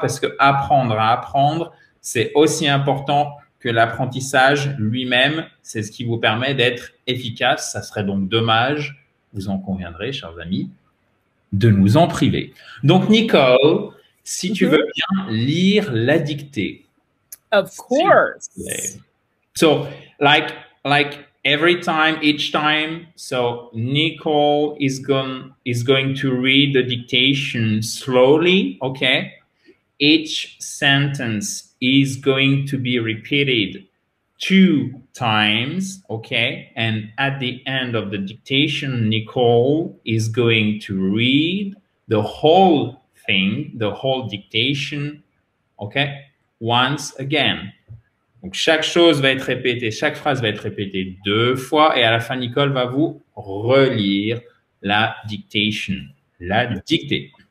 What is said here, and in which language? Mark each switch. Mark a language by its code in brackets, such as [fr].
[fr] Parce que apprendre à apprendre, c'est aussi important que l'apprentissage lui-même. C'est ce qui vous permet d'être efficace. Ça serait donc dommage, vous en conviendrez, chers amis, de nous en priver. Donc, Nicole, si tu veux bien lire la dictée. [en] Of course. So, like each time, so Nicole is going to read the dictation slowly, okay? Each sentence is going to be repeated 2 times, okay? And at the end of the dictation, Nicole is going to read the whole thing, the whole dictation, okay? Once again. [fr] Donc, chaque chose va être répétée, chaque phrase va être répétée 2 fois et à la fin, Nicole va vous relire la dictation, la dictée.